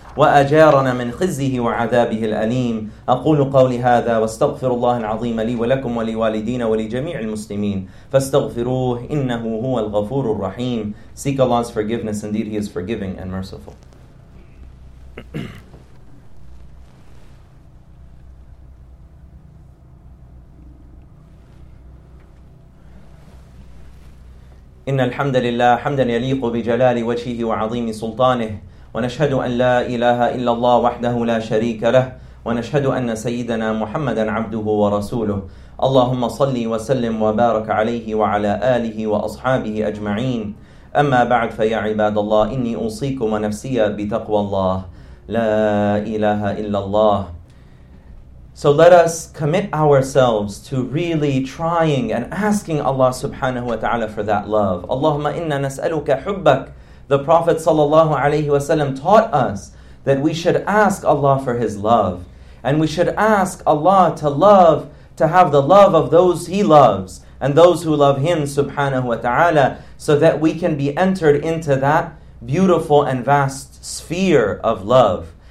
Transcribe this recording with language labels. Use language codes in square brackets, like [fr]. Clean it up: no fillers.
[ar] وأجارنا من خزيه وعذابه الأليم أقول قولي هذا واستغفر الله العظيم لي ولكم ولوالدين ولجميع المسلمين فاستغفروه إنه هو الغفور الرحيم. [en] Seek Allah's forgiveness, indeed He is forgiving and merciful. [ar] إن الحمد لله حمدا يليق بجلال وجهه وعظيم سلطانه ونشهد أن لا إله إلا الله وحده لا شريك له ونشهد أن سيدنا محمدًا عبده ورسوله. اللهم صلي وسلم وبارك عليه وعلى آله وأصحابه أجمعين. أما بعد فيا عباد الله إني أوصيكم ونفسي بتقوى الله لا إله إلا الله. [en] So let us commit ourselves to really trying and asking Allah subhanahu wa ta'ala for that love. [ar] اللهم إنا نسألك حبك. [en] The Prophet sallallahu alaihi wasallam taught us that we should ask Allah for His love, and we should ask Allah to love, to have the love of those He loves and those who love Him subhanahu wa ta'ala, so that we can be entered into that beautiful and vast sphere of love.